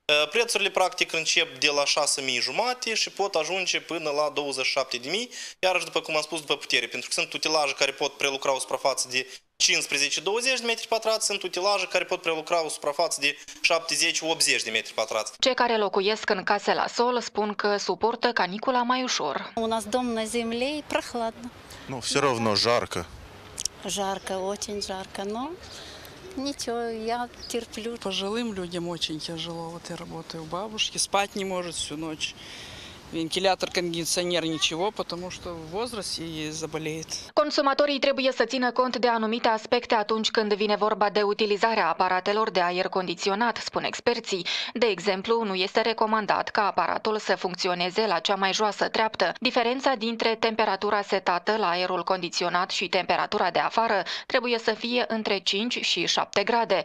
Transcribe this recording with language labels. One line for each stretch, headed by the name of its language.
Romanian: Prețurile practic încep de la 6.500 și pot ajunge până la 27.000, iarăși după cum am spus, după putere, pentru că sunt utilaje care pot prelucra o suprafață de 15-20 de metri pătrați, sunt utilaje care pot prelucra o suprafață de 70-80 de metri pătrați. Cei care locuiesc în case la sol spun că suportă canicula mai ușor.
Russian: У нас дом на земле и прохладно. Ну, все равно жарко. Жарко, очень жарко, но ничего, я терплю. Пожилым людям очень тяжело. Вот я работаю у бабушки, спать не может всю ночь. Вентилятор, кондиционер, ничего, потому что возраст и заболеет.
Romanian: Consumatorii trebuie să țină cont de anumite aspecte atunci când vine vorba de utilizarea aparatelor de aer condiționat, spun experții. De exemplu, nu este recomandat ca aparatul să funcționeze la cea mai joasă treaptă. Diferența dintre temperatura setată la aerul condiționat și temperatura de afară trebuie să fie între 5 și 7 grade.